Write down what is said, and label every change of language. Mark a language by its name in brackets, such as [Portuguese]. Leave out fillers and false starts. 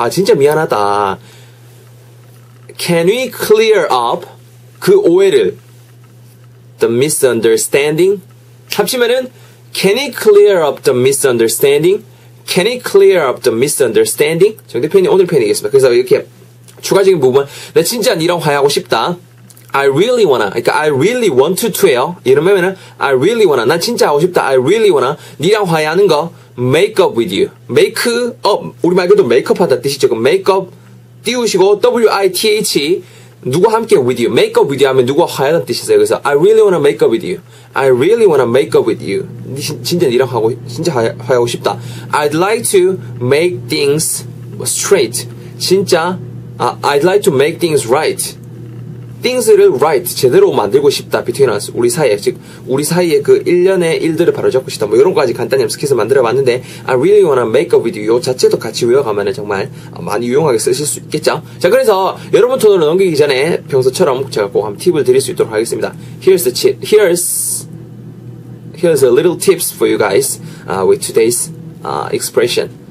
[Korean] 아 진짜 미안하다. [English] Can we clear up [Korean] 그 오해를? [English] The misunderstanding. [Korean] 합치면은 [English] Can we clear up the misunderstanding? Can we clear up the misunderstanding? [Korean] 정대표님 오늘 편이겠습니다. 그래서 이렇게 추가적인 부분, 나 진짜 너랑 화해하고 싶다. [English] I really wanna, 그러니까 I really want to요. 이러면은 I really wanna, [Korean] 난 진짜 하고 싶다. [English] I really wanna [Korean] 니랑 화해하는 거 [English] make up with you. [Korean] make up, 우리 말 그대로 make up 하다 뜻이죠. 그럼 make up 띄우시고 with 누구 함께 with you. [English] make up with you [Korean] 하면 누구와 화해하는 뜻이세요. [English] 그래서 I really wanna make up with you. I really wanna make up with you. [Korean] 진짜 니랑 하고 진짜 화해하고 싶다. [English] I'd like to make things straight. 진짜 I'd like to make things right. things를 right, [Korean] 제대로 만들고 싶다, [English] between us, [Korean] 우리 사이에. 즉, 우리 사이에 그 1년의 일들을 바로잡고 싶다. 뭐, 이런 것까지 간단히 스킷을 만들어봤는데, [English] I really wanna make up with you. [Korean] 요 자체도 같이 외워가면 정말 많이 유용하게 쓰실 수 있겠죠? 자, 그래서 여러분 톤으로 넘기기 전에 평소처럼 제가 꼭 한번 팁을 드릴 수 있도록 하겠습니다. [English] Here's a little tips for you guys with today's expression.